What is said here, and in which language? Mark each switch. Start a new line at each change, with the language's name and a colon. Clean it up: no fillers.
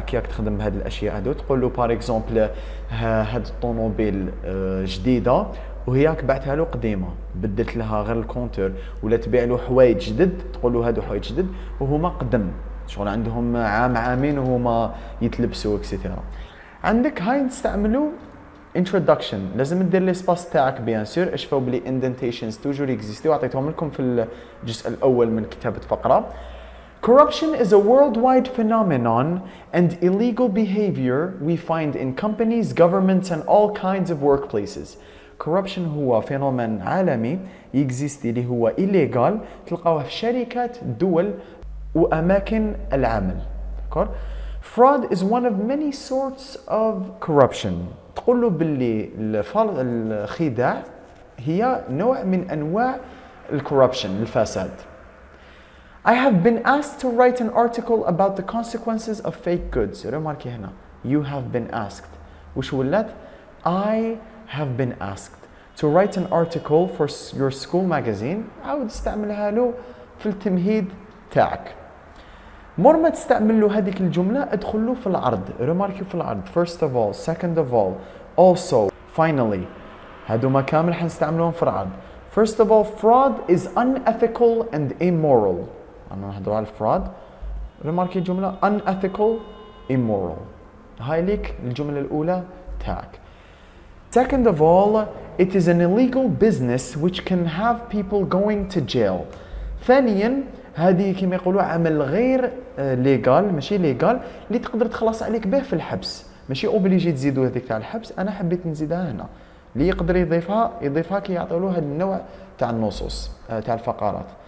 Arabic: كياك تخدم بهذه الاشياء هذو تقول له بار اكزومبل هذه الطوموبيل جديده وهياك بعتها له قديمة, بدلت لها غير الكونتر ولا تبيع له حوايج جدد, تقول له هادو حوايج جدد وهما قدم, شغل عندهم عام عامين وهما يتلبسوا اكسيتيرا. عندك هاي نستعملوا introduction, لازم تدير لي سباس تاعك بيان سور. اشفوا بلي indentations توجور اكزيستي وعطيتهم لكم في الجزء الاول من كتابة فقرة.
English: Corruption is a worldwide phenomenon and illegal behavior we find in companies, governments and all kinds of workplaces.
Arabic: Corruption هو فينومين عالمي يكزيستي اللي هو illegal, تلقاوه في شركات دول وأماكن العمل. داكور,
English: fraud is one of many sorts of corruption.
Arabic: تقول له باللي الخداع هي نوع من أنواع الكوربشن الفساد.
English: I have been asked to write an article about the consequences of fake goods.
Arabic: رماركي هنا
English: you have been asked,
Arabic: وش ولات
English: I have been asked to write an article for your school magazine.
Arabic: عاود استعملها له في التمهيد تاعك. مور ما تستعمل له هذيك الجمله ادخل له في العرض. ريمارك في العرض,
English: first of all, second of all, also, finally.
Arabic: هذوما كامل حنستعملهم في العرض.
English: First of all, fraud is unethical and immoral.
Arabic: انا نهضر على fraud. ريمارك الجمله
English: unethical, immoral.
Arabic: هاي ليك الجمله الاولى تاعك.
English: Second of all, it is an illegal business which can have people going to jail.
Arabic: ثانيا, هذه كما يقولوا عمل غير legal, ماشي legal, اللي تقدر تخلص عليك به في الحبس. ماشي اوبليجي تزيدوا هذيك تاع الحبس, انا حبيت نزيدها هنا. اللي يقدر يضيفها يضيفها كي يعطوا له هذا النوع تاع النصوص تاع الفقرات.